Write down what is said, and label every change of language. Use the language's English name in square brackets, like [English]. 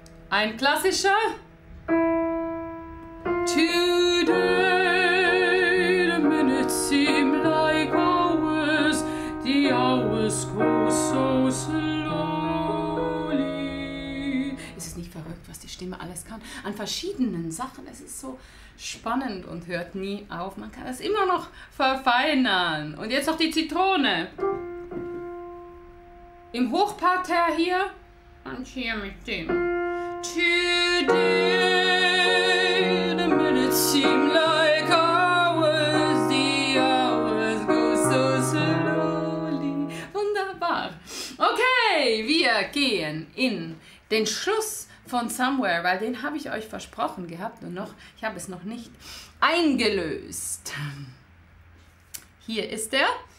[German] ein klassischer [English] Today the minutes seem like hours The hours go so slowly [German] Ist es nicht verrückt, was die Stimme alles kann? An verschiedenen Sachen, es ist so spannend und hört nie auf. Man kann es immer noch verfeinern. Und jetzt noch die Zitrone. Im Hochparterre hier und hier mit dem. [English] Today the minutes seem like hours, the hours go so slowly. [German] Wunderbar. Okay, wir gehen in den Schluss von Somewhere, weil den habe ich euch versprochen gehabt und noch, ich habe es noch nicht eingelöst. Hier ist er.